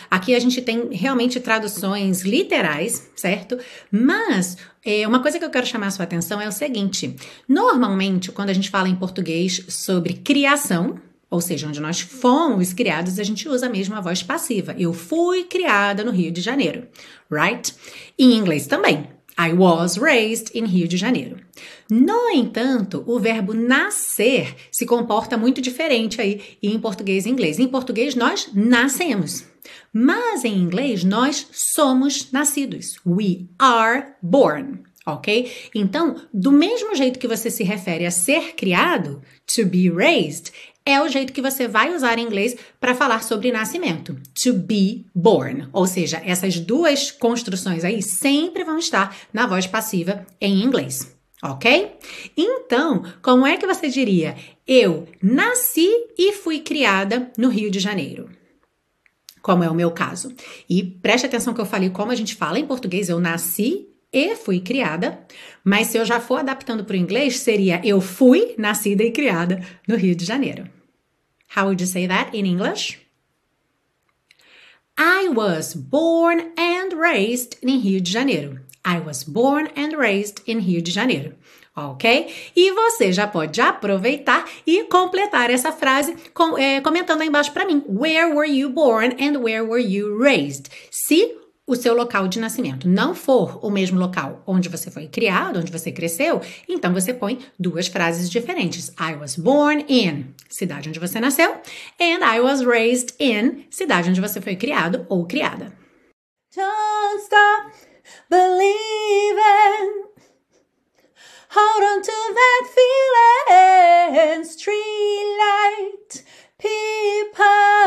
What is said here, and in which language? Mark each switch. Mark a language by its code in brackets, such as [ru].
[pt] Aqui a gente tem realmente traduções literais, certo? Mas uma coisa que eu quero chamar a sua atenção é o seguinte. Normalmente, quando a gente fala em português sobre criação, ou seja, onde nós fomos criados, a gente usa a mesma voz passiva. Eu fui criada no Rio de Janeiro, right? Em inglês também. [en] I was raised in Rio de Janeiro. [pt] No entanto, o verbo nascer se comporta muito diferente aí em português e inglês. Em português, nós nascemos. Mas em inglês, nós somos nascidos. [en] We are born. [pt] Ok? Então, do mesmo jeito que você se refere a ser criado, to be raised, é o jeito que você vai usar em inglês para falar sobre nascimento, to be born. Ou seja, essas duas construções aí sempre vão estar na voz passiva em inglês, ok? Então, como é que você diria, eu nasci e fui criada no Rio de Janeiro? Como é o meu caso. E preste atenção que eu falei como a gente fala em português, eu nasci e fui criada, mas se eu já for adaptando para o inglês, seria eu fui nascida e criada no Rio de Janeiro. [en] How would you say that in English? I was born and raised in Rio de Janeiro. I was born and raised in Rio de Janeiro. Ok? [pt] E você já pode aproveitar e completar essa frase comentando aí embaixo para mim. [en] Where were you born and where were you raised? [pt] Se o seu local de nascimento não for o mesmo local onde você foi criado, onde você cresceu, então você põe duas frases diferentes. [en] I was born in, [pt] cidade onde você nasceu, [en] and I was raised in, [pt] cidade onde você foi criado ou criada. [en] Don't stop believing, hold on to that feeling, streetlight people.